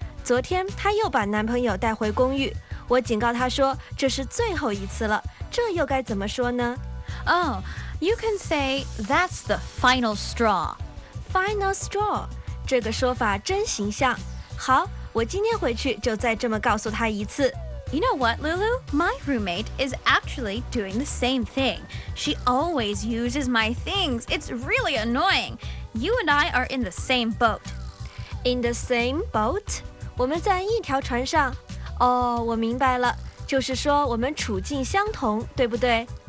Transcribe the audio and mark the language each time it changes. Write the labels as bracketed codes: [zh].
[zh] 昨天她又把男朋友带回公寓，我警告她说这是最后一次了，这又该怎么说呢？ [en] Oh, You can say, that's the final straw. [zh] Final straw. 这个说法真形象。好，我今天回去就再这么告诉他一次。 [en] You know what, Lulu? My roommate is actually doing the same thing. She always uses my things. It's really annoying. You and I are in the same boat. [zh] In the same boat? 我们在一条船上。哦，我明白了，就是说我们处境相同，对不对？